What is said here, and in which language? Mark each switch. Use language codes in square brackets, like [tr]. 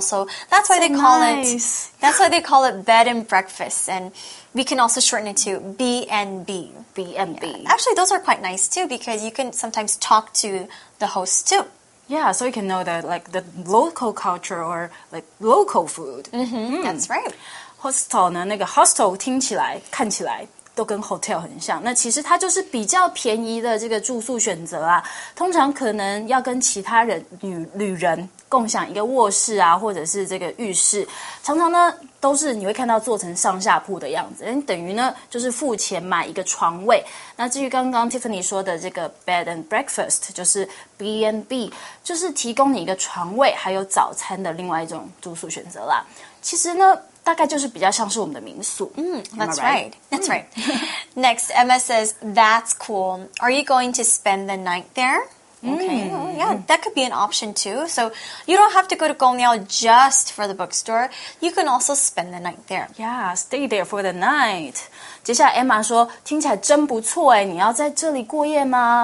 [en] So that's why they call it, that's why they call it bed and breakfast. And we can also shorten it to B&B. B&B. Yeah. Actually, those are quite nice too because you can sometimes talk to the host too. Yeah, so you can know that like the local culture or like local food. That's right. [zh] Hostel 呢，那个 hostel 听起来，看起来都跟 hotel 很像，那其实它就是比较便宜的这个住宿选择啊。通常可能要跟其他人旅人共享一个卧室啊，或者是这个浴室，常常呢都是你会看到做成上下铺的样子，等于呢就是付钱买一个床位。那至于刚刚 Tiffany 说的这个 bed and breakfast 就是 B&B， 就是提供你一个床位还有早餐的另外一种住宿选择啦。其实呢大概就是比较像是我们的民宿。 [en] That's right. That's right. Next, Emma says, that's cool. Are you going to spend the night there? Okay, yeah, that could be an option too. So you don't have to go to Gongliao just for the bookstore. You can also spend the night there. Yeah, stay there for the night. [zh] 接下来 Emma 说，听起来真不错诶，你要在这里过夜吗？